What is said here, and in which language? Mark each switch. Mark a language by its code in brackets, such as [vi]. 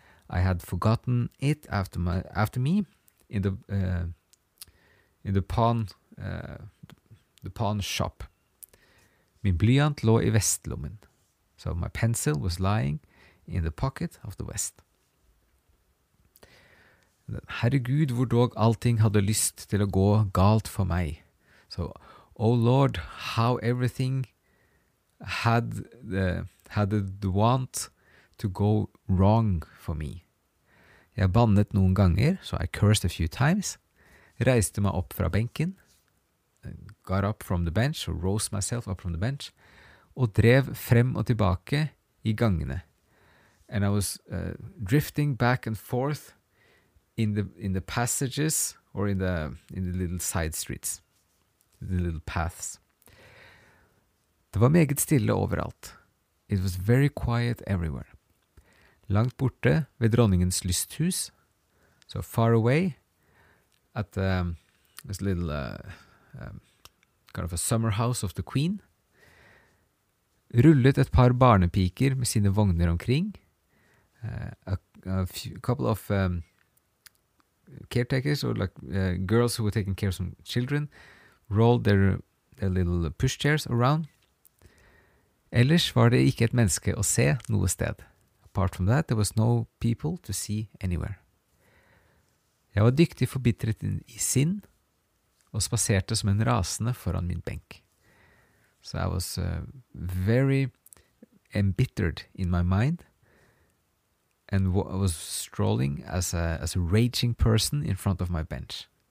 [en] I had forgotten it after me in the pawn shop. [no] Min blyant lå I vestlommen. [en] So my pencil was lying in the pocket of the vest. [no] Herregud, hvor dog allting hadde lyst til å gå galt for meg. [en] So, oh Lord, how everything had the want to go wrong for me. [no] Jeg bannet noen ganger, [en] so I cursed a few times, [no] reiste meg opp fra benken, [en] got up from the bench, or rose myself up from the bench, [no] og drev frem og tilbake I gangene. [en] And I was drifting back and forth in the passages or in the little side streets, the little paths. [no] Det var meget stille overalt. [en] It was very quiet everywhere. [no] Langt borte ved dronningens lysthus, [en] so far away at this little kind of a summer house of the queen, [no] rullet et par barnepiker med sine vogner omkring. [en] A couple of caretakers, or like girls who were taking care of some children, rolled their little pushchairs around. [no] Ellers var det ikke et menneske å se noe sted. [en] Apart from that, there was no people to see anywhere. [no] Jeg var dyktig forbitret I sinn, og spaserte som en rasende foran min benk. [en] So I was very embittered in my mind, and was strolling as a raging person in front of my bench.